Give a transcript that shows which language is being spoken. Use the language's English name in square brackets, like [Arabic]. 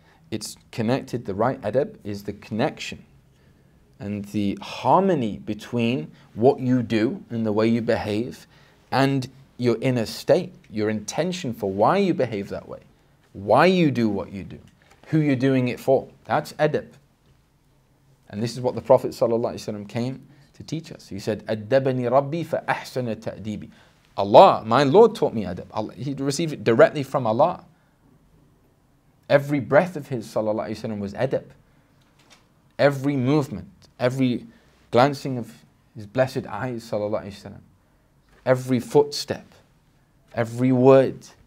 [English] it's connected, the right adab is the connection and the harmony between what you do and the way you behave and your inner state, your intention for why you behave that way, why you do what you do, who you're doing it for. That's adab. And this is what the Prophet ﷺ came to teach us. He said, [Arabic] أَدَّبَنِي رَبِّي فَأَحْسَنَ تَأْدِيبِ. [English] Allah, my Lord taught me adab. He received it directly from Allah. Every breath of his ﷺ was adab. Every movement, every glancing of his blessed eyes ﷺ, every footstep, every word.